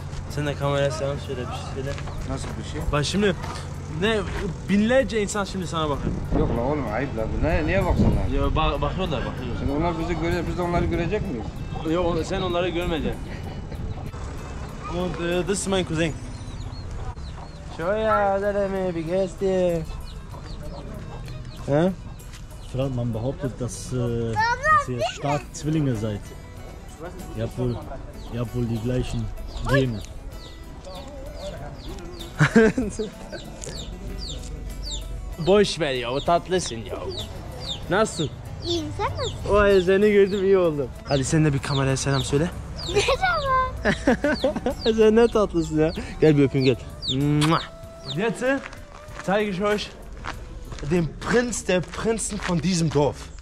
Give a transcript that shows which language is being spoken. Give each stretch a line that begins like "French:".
Turkish: Sen de kameraya selam söyle, bir şey söyle. Nasıl bir şey? Bak şimdi, ne binlerce insan şimdi sana bakıyor. Yok la oğlum, ayıp la. Ne, niye baksınlar? Ya, bakıyorlar. Şimdi onlar bizi görecek, biz de onları görecek miyiz? Yok, sen onları görmeyeceksin.
German: Und das ist mein Cousin. Schau ja, der mir wie gestern. Hä? Man behauptet, dass ihr stark Zwillinge seid. Ihr habt wohl die gleichen Gene.
Turkish: Boş ver ya, o tatlısın ya. Nasılsın? İyiyim, sen nasılsın? Vay, seni gördüm, iyi oldum. Hadi sen de bir kameraya selam söyle. Merhaba. Sen ne tatlısın ya. Gel bir öpeyim, gel.
German: Und jetzt zeige ich euch den Prinz der Prinzen von diesem Dorf.